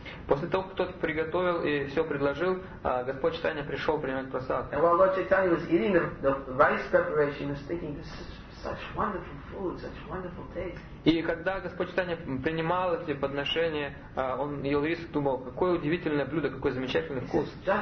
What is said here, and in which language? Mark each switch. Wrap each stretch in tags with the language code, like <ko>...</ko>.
<ru>После того, как кто-то приготовил и все предложил, Господь Чайтанья пришел принимать прасад.</ru> <en>And while Lord Chaitanya was eating the rice preparation, he was thinking, "This is such wonderful food, such wonderful taste."</en> <ru>И когда Господь Чайтанья принимал эти подношения, он ел рис и думал, какое удивительное блюдо, какой замечательный вкус.</ru>